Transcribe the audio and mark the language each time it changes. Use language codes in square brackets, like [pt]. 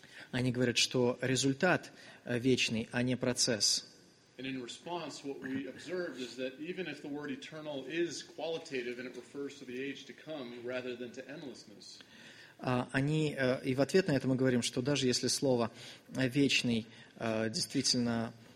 [ru] Они говорят, что результат вечный, а не процесс. [en] And in response, what we observed is that even if the word eternal is qualitative and it refers to the age to come rather than to endlessness. [ru] Они и в ответ на это мы говорим, что даже если слово вечный действительно